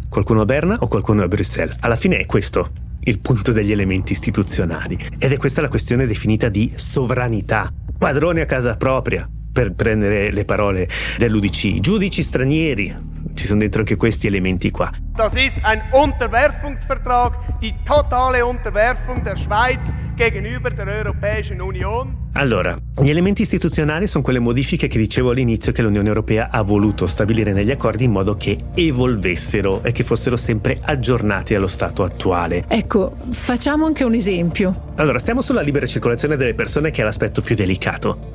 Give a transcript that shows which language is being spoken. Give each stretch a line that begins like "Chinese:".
Italian: Qualcuno a Berna o qualcuno a Bruxelles? Alla fine è questo il punto degli elementi istituzionali. Ed è questa la questione definita di sovranità. Padrone a casa propria, per prendere le parole dell'UDC. Giudici stranieri. Ci sono dentro anche questi elementi qua.
German: Das ist ein Unterwerfungsvertrag, die totale Unterwerfung der Schweiz gegenüber der Europäischen Union.
Italian: Allora, gli elementi istituzionali sono quelle modifiche che dicevo all'inizio che l'Unione Europea ha voluto stabilire negli accordi in modo che evolvessero e che fossero sempre aggiornati allo stato attuale. Ecco, facciamo anche un esempio. Allora, stiamo sulla libera circolazione delle persone, che è l'aspetto più delicato.